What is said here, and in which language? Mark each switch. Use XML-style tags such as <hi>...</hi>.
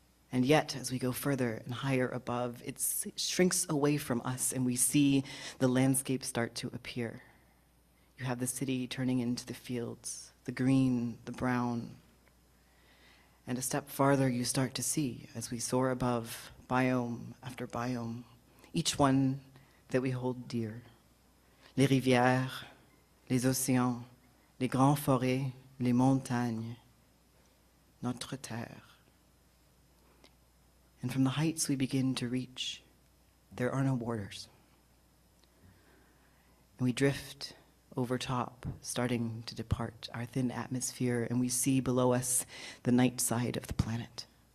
<en>And yet, as we go further and higher above, it shrinks away from us and we see the landscape start to appear. You have the city turning into the fields, the green, the brown. And a step farther, you start to see, as we soar above, biome after biome, each one that we hold dear.</en> <fr>Les rivières, les océans, les grands forêts, les montagnes, notre terre.</fr> <en>And from the heights we begin to reach, there are no borders. And we drift over top, starting to depart our thin atmosphere, and we see below us the night side of the planet.</en>